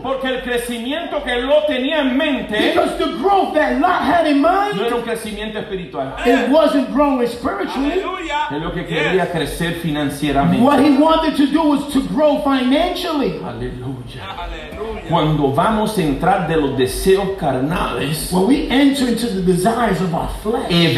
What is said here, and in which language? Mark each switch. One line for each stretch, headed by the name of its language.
Spanish: Porque el crecimiento que Lot tenía en mente,
English: because the growth that Lot had in mind,
Spanish: no era un crecimiento espiritual.
English: It wasn't growing spiritually.
Spanish: Aleluya. Es lo que quería crecer financieramente.
English: What he wanted to do was to grow financially.
Spanish: Aleluya. Cuando vamos a entrar de los deseos carnales,
English: when we enter into the desires of our flesh,